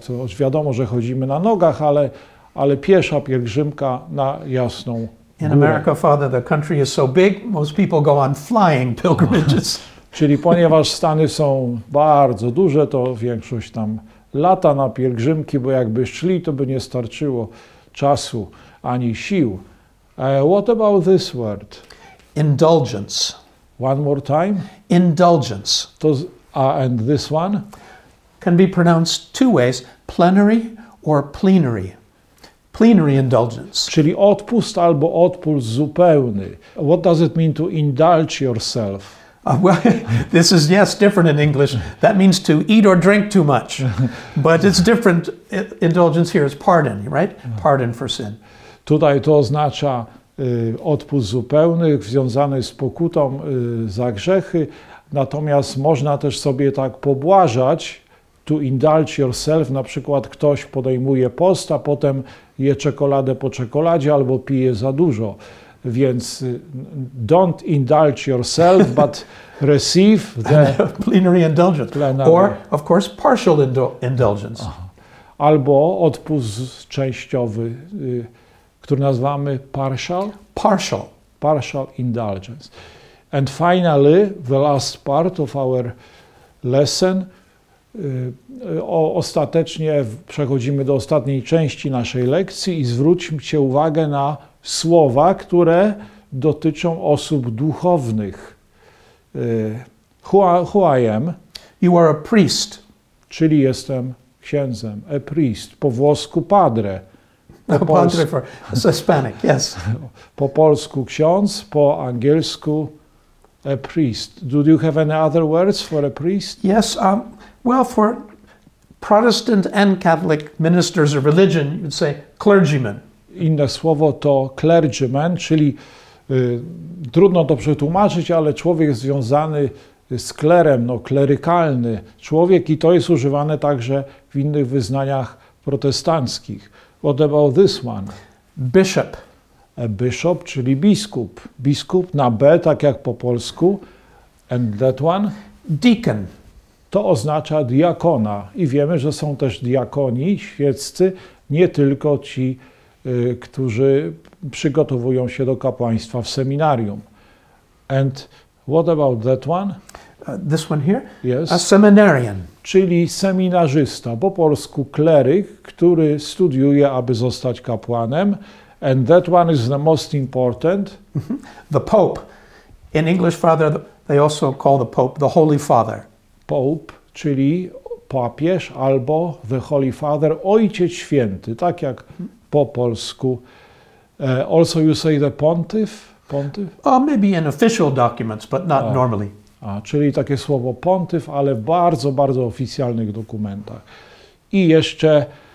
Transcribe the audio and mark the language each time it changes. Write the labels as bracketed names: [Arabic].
[Polish] To wiadomo, że chodzimy na nogach, ale piesza pielgrzymka na Jasną Górę. [English] In America, Father, the country is so big, most people go on flying pilgrimages. [Polish] Czyli ponieważ Stany są bardzo duże, to większość tam lata na pielgrzymki, bo jakby szli, to by nie starczyło czasu ani sił. [English] What about this word? Indulgence. One more time? Indulgence. And this one? Can be pronounced two ways, plenary or plenary. Plenary indulgence. [Polish] Czyli odpust albo odpust zupełny. [English] What does it mean to indulge yourself? Well, this is, yes, different in English. That means to eat or drink too much. But it's different. Indulgence here is pardon, right? Pardon for sin. [Polish] Tutaj to oznacza odpust zupełny, związany z pokutą za grzechy. Natomiast można też sobie tak pobłażać, [English] to indulge yourself, [Polish] na przykład ktoś podejmuje post, a potem je czekoladę po czekoladzie albo pije za dużo. Więc [English] don't indulge yourself, but receive the plenary indulgence. Or, of course, partial indulgence. [Polish] Albo odpust częściowy, który nazywamy partial. [English] Partial. Partial indulgence. And finally, the last part of our lesson. [Polish] Ostatecznie przechodzimy do ostatniej części naszej lekcji i zwróćcie uwagę na słowa, które dotyczą osób duchownych. [English] Who I am? You are a priest. [Polish] Czyli jestem księdzem. A priest. Po włosku padre. [English] Padre for Hispanic, yes. [Polish] Po polsku ksiądz, po angielsku a priest. [English] Do you have any other words for a priest? Yes, well, for Protestant and Catholic ministers of religion, you would say clergyman. [Polish] Inne słowo to clergyman, czyli trudno to przetłumaczyć, ale człowiek związany z klerem, no klerykalny człowiek, i to jest używane także w innych wyznaniach protestanckich. [English] What about this one? Bishop. [Polish] A bishop, czyli biskup. Biskup na B, tak jak po polsku. [English] And that one? Deacon. [Polish] To oznacza diakona. I wiemy, że są też diakoni świeccy, nie tylko ci, którzy przygotowują się do kapłaństwa w seminarium. [English] And what about that one? This one here? Yes. A seminarian. [Polish] Czyli seminarzysta, po polsku kleryk, który studiuje, aby zostać kapłanem. [English] And that one is the most important. The Pope. In English, Father, they also call the Pope the Holy Father. [Polish] Pope, czyli papież, albo the Holy Father, Ojciec Święty, tak jak po polsku. [English] Also you say the Pontiff? Pontiff? Maybe in official documents, but not normally. [Polish] Czyli takie słowo Pontiff, ale w bardzo, bardzo oficjalnych dokumentach. I jeszcze...